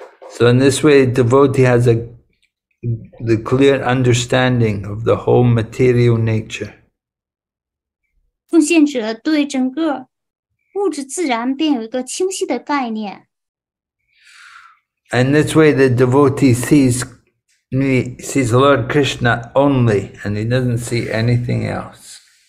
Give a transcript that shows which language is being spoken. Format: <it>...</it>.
<en>So in this way, devotee has the clear understanding of the whole material nature.</en> <zh>奉献者对整个物质自然便有一个清晰的概念。</zh> <en>And this way, the devotee sees Lord Krishna only, and he doesn't see anything else.</en>